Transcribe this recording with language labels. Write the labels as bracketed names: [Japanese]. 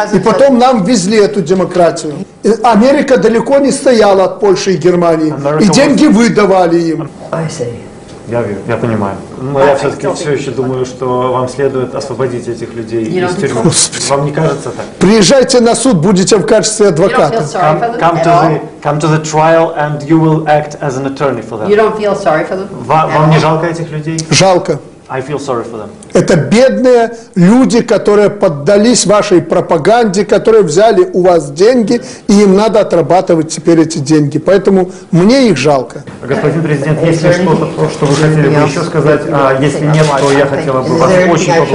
[Russian] И потом нам везли эту демократию. И Америка далеко не стояла от Польши и Германии, и деньги выдавали им. Я вижу, я понимаю. Но я все-таки все еще думаю, что вам следует освободить этих людей из тюрьмы. Господи. Вам не кажется так? Приезжайте на суд, будете в качестве адвоката. [English] Come to the trial and you will act as an attorney for them. You don't feel sorry for them? [Russian] Вам не жалко этих людей? Жалко. [English] I feel sorry for them. [Russian] Это бедные люди, которые поддались вашей пропаганде, которые взяли у вас деньги, и им надо отрабатывать теперь эти деньги. Поэтому мне их жалко. Господин президент, есть ли что-то, что вы хотели бы еще сказать? А если нет, то я хотела бы вас очень